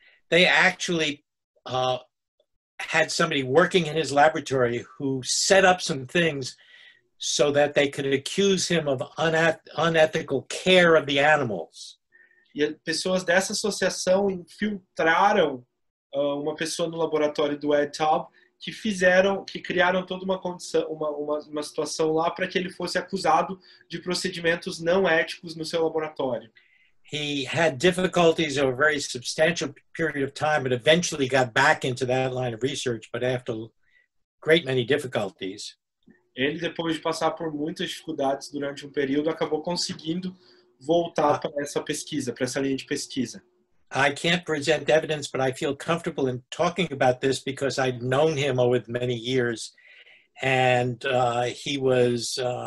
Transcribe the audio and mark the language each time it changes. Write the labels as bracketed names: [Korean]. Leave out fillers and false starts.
[English] They actually had somebody working in his laboratory who set up some things so that they could accuse him of unethical care of the animals. [Portuguese] E pessoas dessa associação infiltraram uma pessoa no laboratório do Ed Taub que criaram toda uma condição, uma situação lá para que ele fosse acusado de procedimentos não éticos no seu laboratório. [English] He had difficulties over a very substantial period of time, but eventually got back into that line of research, but after a great many difficulties. [Portuguese] Ele, depois de passar por muitas dificuldades durante um período, acabou conseguindo voltar para essa pesquisa, para essa linha de pesquisa. [English] I can't present evidence, but I feel comfortable in talking about this because I'd known him over many years, and he was...